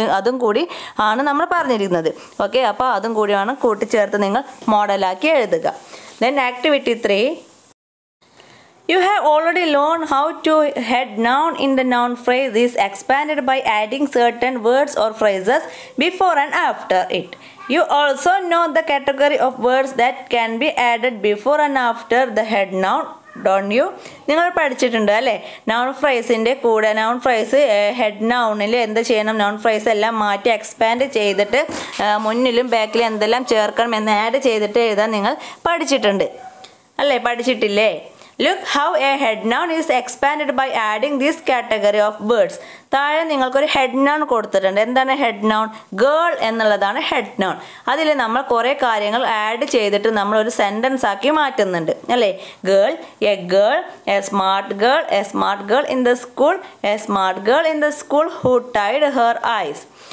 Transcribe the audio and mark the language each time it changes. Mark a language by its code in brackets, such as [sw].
[ml] അതും കൂടി ആണ് നമ്മൾ പറഞ്ഞിരിക്കുന്നത്. ഓക്കെ, അപ്പോൾ അതും കൂടിയാണ് കൂട്ടിച്ചേർത്ത് നിങ്ങൾ മോഡലാക്കി എഴുതുക. [en] Then activity 3, you have already learn how to head noun in the noun phrase is expand by adding certain words or phrases before and after it. You also know the category of words that can be added before and after the head noun, don't you? [ml] നിങ്ങൾ പഠിച്ചിട്ടുണ്ട് അല്ലേ, noun ഫ്രേസിൻ്റെ കൂടെ noun phrase head നൗണിൽ എന്ത് ചെയ്യണം, noun phrase എല്ലാം മാറ്റി expand ചെയ്തിട്ട് മുന്നിലും ബാക്കിലും എന്തെല്ലാം ചേർക്കണം എന്ന് ആഡ് ചെയ്തിട്ട് എഴുതാൻ നിങ്ങൾ പഠിച്ചിട്ടുണ്ട് അല്ലേ, പഠിച്ചിട്ടില്ലേ. [en] Look how a head noun is expanded by adding this category of words. [ml] താഴെ നിങ്ങൾക്കൊരു ഹെഡ് നൗൺ കൊടുത്തിട്ടുണ്ട്. എന്താണ് ഹെഡ് നൗൺ? ഗേൾ എന്നുള്ളതാണ് ഹെഡ് നൗൺ. അതിൽ നമ്മൾ കുറേ കാര്യങ്ങൾ ആഡ് ചെയ്തിട്ട് നമ്മൾ ഒരു സെൻറ്റൻസ് ആക്കി മാറ്റുന്നുണ്ട് അല്ലേ. [en] Girl, a girl, a smart girl, a smart girl in the school, a smart girl in the school who tied her eyes.